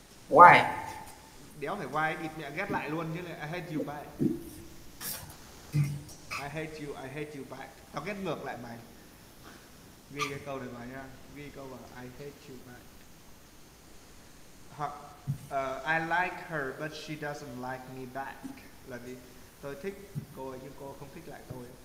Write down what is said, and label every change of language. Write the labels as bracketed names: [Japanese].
[English] Why? [Vietnamese] Đéo phải why, bịt mẹ ghét lại luôn chứ lại [English] I hate you back. I hate you back. [Vietnamese] Tao ghét ngược lại mày. Ghi cái câu này vào nha. Ghi câu vào [English] I hate you back. Hoặc I like her but she doesn't like me back. [Vietnamese] Là gì? Tôi thích cô ấy nhưng cô không thích lại tôi.